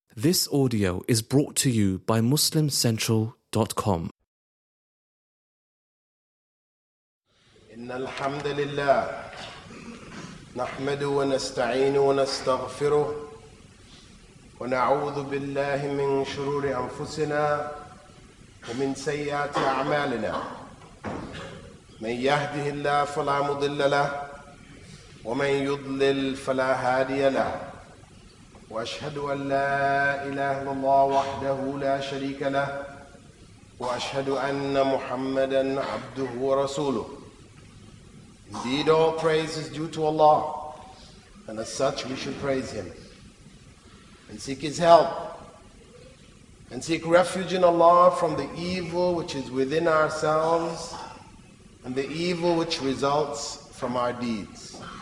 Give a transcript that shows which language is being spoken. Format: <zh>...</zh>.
<en>This audio is brought to you by MuslimCentral.com.</en> <ar>إن الحمد لله نحمده ونستعينه ونستغفره ونعوذ بالله من شرور أنفسنا ومن سيئات أعمالنا من يهده الله فلا مضل له ومن يضلل فلا هادي له وأشهد أن لا إله إلا الله وحده لا شريك له وأشهد أن محمدًا عبده ورسوله.</ar> <en>Indeed, all praise is due to Allah, and as such we should praise Him and seek His help and seek refuge in Allah from the evil which is within ourselves and the evil which results from our deeds.</en>